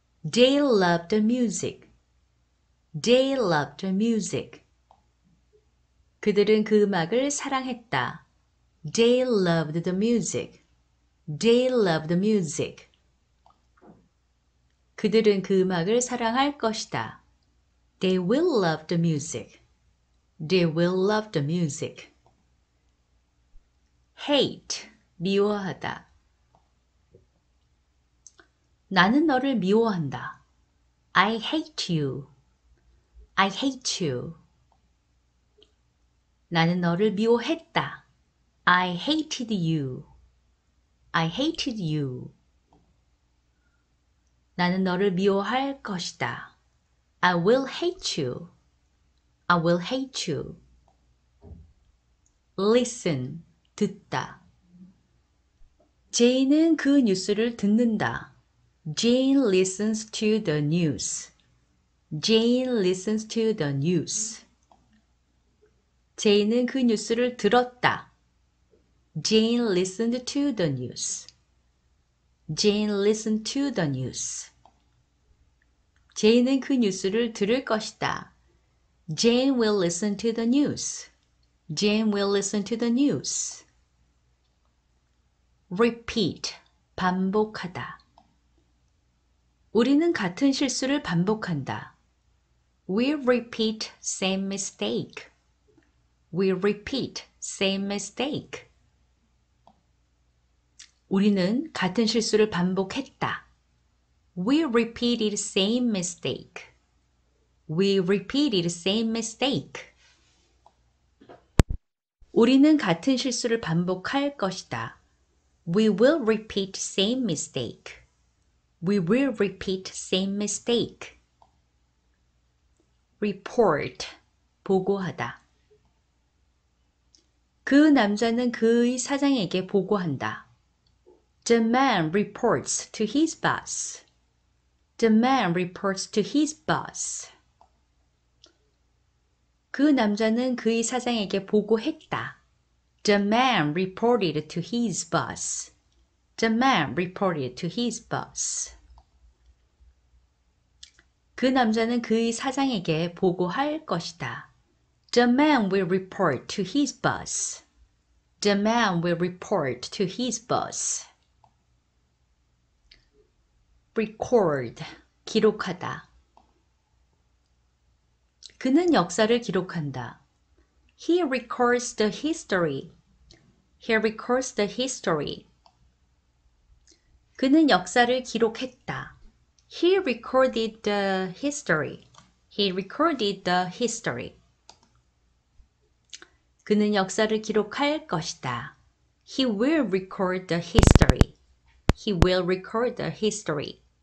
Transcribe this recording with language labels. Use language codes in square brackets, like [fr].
[en] They love the music. They love the music. [ko] 그들은 그 음악을 사랑했다. [en] They loved the music. They loved the music. [ko] 그들은 그 음악을 사랑할 것이다. [en] They will love the music. They will love the music. Hate, [ko] 미워하다. 나는 너를 미워한다. [en] I hate you. I hate you. [ko] 나는 너를 미워했다. [en] I hated you. I hated you. [ko] 나는 너를 미워할 것이다. [en] I will hate you. I will hate you. Listen, [ko] 듣다. 제인은 그 뉴스를 듣는다. [en] Jane listens to the news. Jane listens to the news. [ko] 제인은 그 뉴스를 들었다. [en] Jane listened to the news. Jane listened to the news. [ko] 제인은 그 뉴스를 들을 것이다. [en] Jane will listen to the news. Jane will listen to the news. Repeat. [ko] 반복하다. 우리는 같은 실수를 반복한다. [en] We repeat same mistake. We repeat same mistake. [ko] 우리는 같은 실수를 반복했다. [en] We repeated same mistake. We repeated same mistake. [ko] 우리는 같은 실수를 반복할 것이다. [en] We will repeat same mistake. We will repeat same mistake. Report. [ko] 보고하다. 그 남자는 그의 사장에게 보고한다. [en] The man reports to his boss. The man reports to his boss. [ko] 그 남자는 그의 사장에게 보고했다. [en] The man reported to his boss. The man reported to his boss. [ko] 그 남자는 그의 사장에게 보고할 것이다. [en] The man will report to his boss. The man will report to his boss. Record. [ko] 기록하다. 그는 역사를 기록한다. [en] He records the history. He records the history. [ko] 그는 역사를 기록했다. [en] He recorded the history. He recorded the history. [ko] 그는 역사를 기록할 것이다. [en] He will record the history. He will record the history.